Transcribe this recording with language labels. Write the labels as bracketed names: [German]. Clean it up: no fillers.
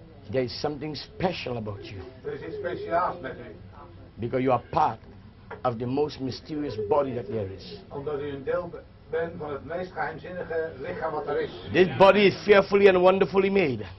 [English] There is something special about you. [Dutch] Er is speciaals met u. [English] Because you are part of the most mysterious body that there is. [Dutch] Omdat u een deel bent van het meest geheimzinnige lichaam wat er is. [English] This body is fearfully and wonderfully made.